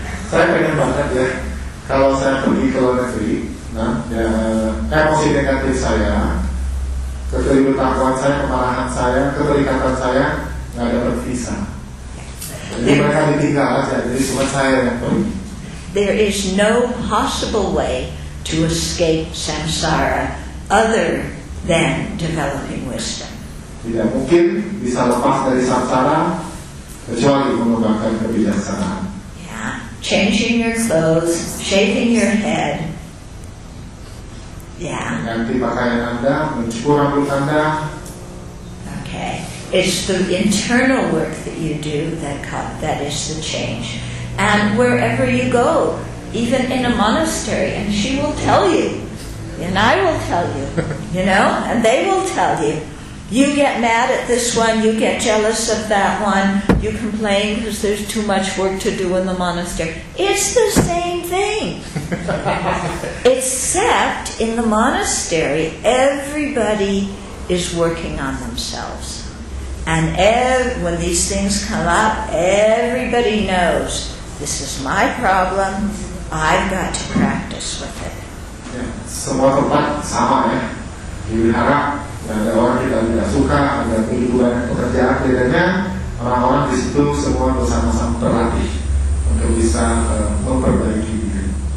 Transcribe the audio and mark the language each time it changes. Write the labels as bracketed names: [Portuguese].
[Indonesian] Saya pengen banget ya, kalau saya pergi ke luar negeri, nah, emosi negatif saya, keterlibatan saya, kemarahan saya, keterikatan saya, nggak dapat visa. Jadi mereka ditinggal aja, jadi cuma saya yang pergi. [English] There is no possible way to escape samsara other than developing wisdom. [Indonesian] Tidak mungkin bisa lepas dari samsara kecuali mengembangkan kebijaksanaan. [English] Yeah, changing your clothes, shaving your head. Yeah. [Indonesian] Mengganti pakaian Anda, mencukur rambut Anda. [English] Okay. It's the internal work that you do that is the change. And wherever you go, even in a monastery, and she will tell you, and I will tell you, you know, and they will tell you. You get mad at this one, you get jealous of that one, you complain because there's too much work to do in the monastery. It's the same thing. Except in the monastery, everybody is working on themselves. And when these things come up, everybody knows, this is my problem, I've got to practice with it. [Indonesian] Semua tempat sama ya. Di wihara, ada orang kita tidak suka, ada kehidupan pekerjaan bedanya, orang-orang di situ semua bersama-sama berlatih untuk bisa memperbaiki diri.